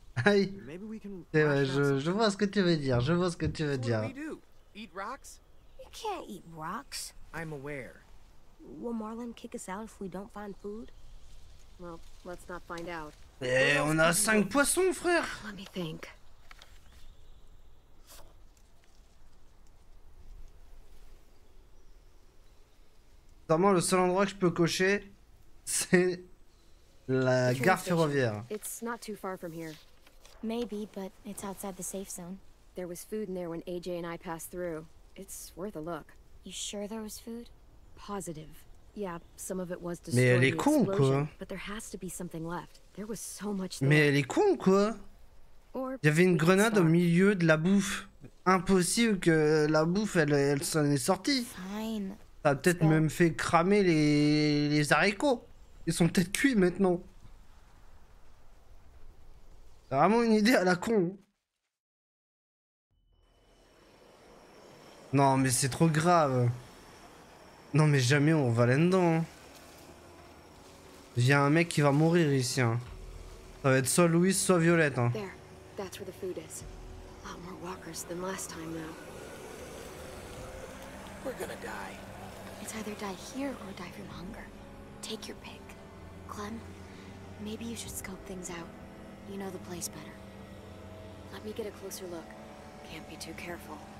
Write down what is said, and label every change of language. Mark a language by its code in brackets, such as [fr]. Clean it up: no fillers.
[fr] Aïe, je vois ce que tu veux dire, je vois ce que tu veux dire. [en] Eat rocks? You can't eat rocks. I'm aware. Will Marlin kick us out if we don't find food? Well, let's not find out. [fr] Eh, on a 5 poissons, frère. [en] Let me think. [fr] Vraiment, le seul endroit que je peux cocher, c'est la gare ferroviaire. [en] It's not too far from here. Maybe, but it's outside the safe zone. There was food in there when AJ and I passed through. It's worth a look. You sure there was food? Positive. Yeah, some of it was destroyed by [fr] explosion. Mais elle est con, quoi. [en] But there has to be something left. There was so much. [fr] Mais elle est con, quoi. Il y avait une grenade au milieu de la bouffe. Impossible que la bouffe, elle s'en est sortie. [en] Fine. [fr] Ça a peut-être même fait cramer les haricots. Ils sont peut-être cuits maintenant. C'est vraiment une idée à la con. Non, mais c'est trop grave. Non, mais jamais on va là-dedans. Il y a un mec qui va mourir ici. Hein. Ça va être soit Louise, soit Violette. Hein. [en] That's where the food is. A lot more walkers than last time, though. We're gonna die. It's either die here or die from hunger. Take your pick. Clem, maybe you should scope things out. You know the place better. Let me get a closer look. Can't be too careful.